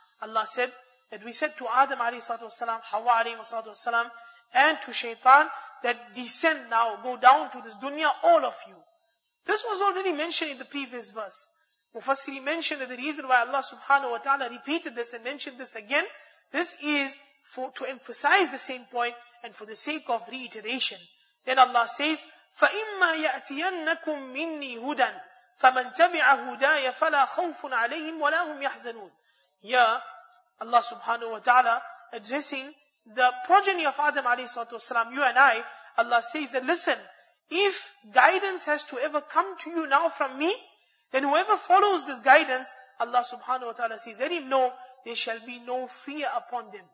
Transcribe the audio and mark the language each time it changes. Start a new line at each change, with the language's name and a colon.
English: Allah said that we said to Adam alayhi salatu wasalam, Hawa alayhi salatu wasalam, and to shaitan, that descend now, go down to this dunya, all of you. This was already mentioned in the previous verse. Mufassiri mentioned that the reason why Allah subhanahu wa ta'ala repeated this and mentioned this again, this is for to emphasize the same point and for the sake of reiteration. Then Allah says,
Arabic: فَإِمَّا يَأْتِيَنَّكُم مِّنِّي هُدًى فَمَنْ تَبِعَ هُدَايَ فَلَا خَوْفٌ عَلَيْهِمْ وَلَا هُمْ يَحْزَنُونَ.
English: Here, Allah subhanahu wa ta'ala addressing the progeny of Adam alayhi salatu wasalam, you and I, Allah says that, listen, if guidance has to ever come to you now from me, then whoever follows this guidance, Allah subhanahu wa ta'ala says, let him know, there shall be no fear upon them.